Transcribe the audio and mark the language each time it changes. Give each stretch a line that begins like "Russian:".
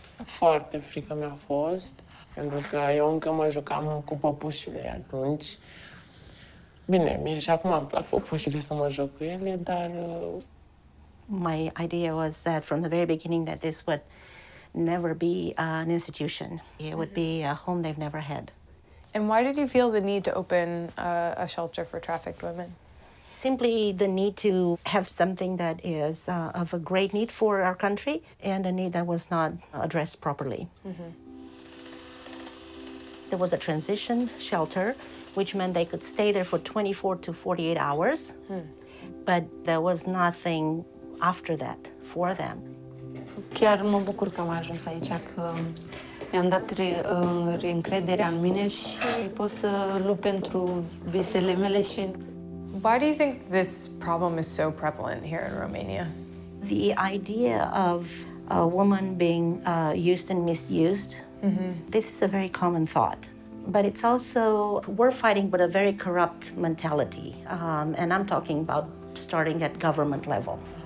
Romanian: Foarte frică mi-a fost, pentru că eu încă mă jucam cu păpușile atunci. Bine, mie și acum îmi plac păpușile să mă joc cu ele, dar...
English: My idea was that from the very beginning that this would never be an institution. It would be a home they've never had. And why did you feel the need to open a shelter for trafficked women? Simply the need to have something that is of a great need for our country and a need that was not addressed properly. Mm-hmm. There was a transition shelter, which meant they could stay there for 24 to 48 hours, but there was nothing after that for them.
Romanian: Chiar mă bucur că am ajuns aici, că mi-am dat reîncrederea în mine și pot să lupt pentru visele mele și...
English: Why do you think this problem is so prevalent here in Romania? The idea of a woman being used and misused, this is a very common thought. But it's also, we're fighting with a very corrupt mentality. And I'm talking about starting at government level.